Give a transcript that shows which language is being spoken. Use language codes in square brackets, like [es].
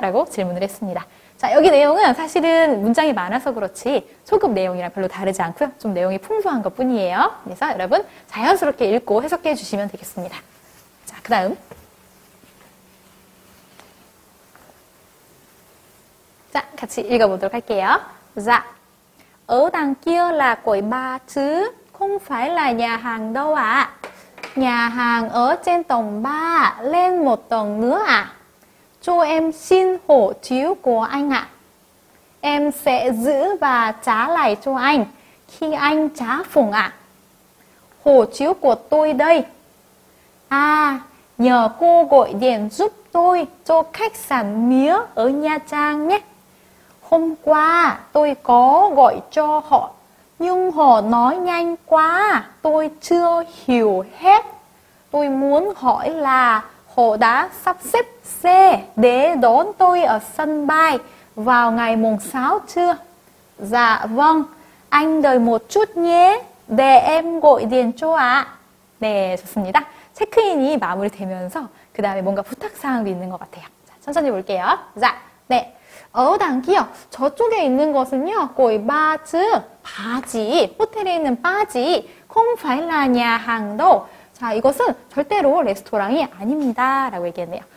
[ko] 라고 질문을 했습니다. 자, 여기 내용은 사실은 문장이 많아서 그렇지 소급 내용이랑 별로 다르지 않고요. 좀 내용이 풍부한 것뿐이에요. 그래서 여러분 자연스럽게 읽고 해석해 주시면 되겠습니다. 자, 그 다음. 자, 같이 읽어보도록 할게요. [vi] 자, ở đằng kia là quầy bar chứ không phải là nhà hàng đâu ạ. Nhà hàng ở trên tầng 3 lên một tầng nữa ạ. Cho em xin hộ chiếu của anh ạ. Em sẽ giữ và trả lại cho anh khi anh trả phòng ạ. Hộ chiếu của tôi đây. À, nhờ cô gọi điện giúp tôi cho khách sạn mía ở Nha Trang nhé. Hôm qua tôi có gọi cho họ, nhưng họ nói nhanh quá, tôi chưa hiểu hết. Tôi muốn hỏi là họ đã sắp xếp xe để đón tôi ở sân bay vào ngày mùng 6 chưa? Dạ vâng, anh đợi một chút nhé, để em gọi điện cho ạ. [ko] 네, 좋습니다. 체크인이 마무리되면서 그 다음에 뭔가 부탁사항도 있는 것 같아요. 자, 천천히 볼게요. 자, 네. 어당키요. 저쪽에 있는 것은요. 거의 바츠, 바지. 호텔에 있는 바지. 콩파일라냐항도. 자, 이것은 절대로 레스토랑이 아닙니다. 라고 얘기했네요.